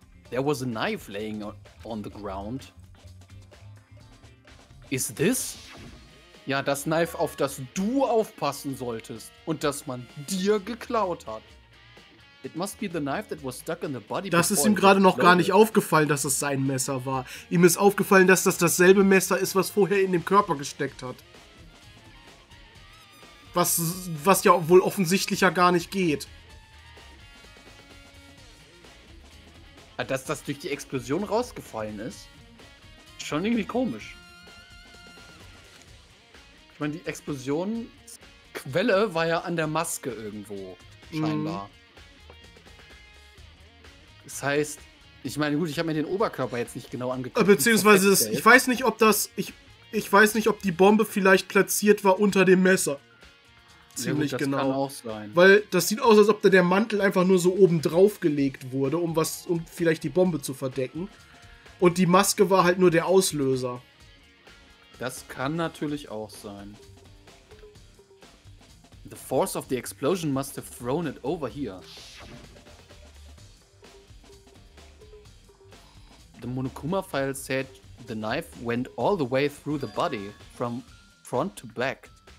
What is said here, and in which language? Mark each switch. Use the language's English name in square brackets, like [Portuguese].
[English] There was a knife laying on the ground. Is this? [German] Ja, das Knife, auf das du aufpassen solltest und das man dir geklaut hat. [English] It must be the knife that was stuck in the body. [German] Das ist ihm gerade noch gar nicht aufgefallen, dass es sein Messer war. Ihm ist aufgefallen, dass das dasselbe Messer ist, was vorher in dem Körper gesteckt hat. Was ja wohl offensichtlicher gar nicht geht. Dass das durch die Explosion rausgefallen ist, schon irgendwie komisch. Ich meine, die Explosionsquelle war ja an der Maske irgendwo, scheinbar. Das heißt, ich meine, gut, ich habe mir den Oberkörper jetzt nicht genau angeguckt. Beziehungsweise, ich weiß nicht, ob die Bombe vielleicht platziert war unter dem Messer. Ziemlich genau. Das kann auch sein. Weil das sieht aus, als ob da der Mantel einfach nur so oben drauf gelegt wurde, um vielleicht die Bombe zu verdecken. Und die Maske war halt nur der Auslöser. Das kann natürlich auch sein. [English] The force of the explosion must have thrown it over here. The Monokuma file said the knife went all the way through the body from front to back.